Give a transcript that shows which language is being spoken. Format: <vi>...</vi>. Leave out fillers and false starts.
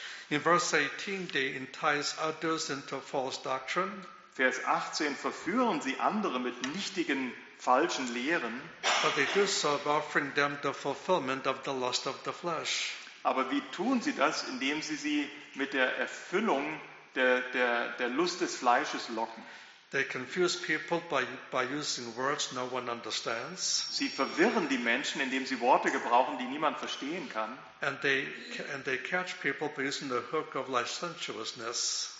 <en>In verse 18, they entice others into false doctrine.</en> <de>Vers 18, verführen sie andere mit nichtigen falschen Lehren.</de> <en>But they do so by offering them the fulfillment of the lust of the flesh.</en> <de>Aber wie tun sie das? Indem sie sie mit der Erfüllung der Lust des Fleisches locken.</de> <en>They confuse people by using words no one understands.</en> <de>Sie verwirren die Menschen, indem sie Worte gebrauchen, die niemand verstehen kann.</de> <en>And they catch people by using the hook of licentiousness.</en>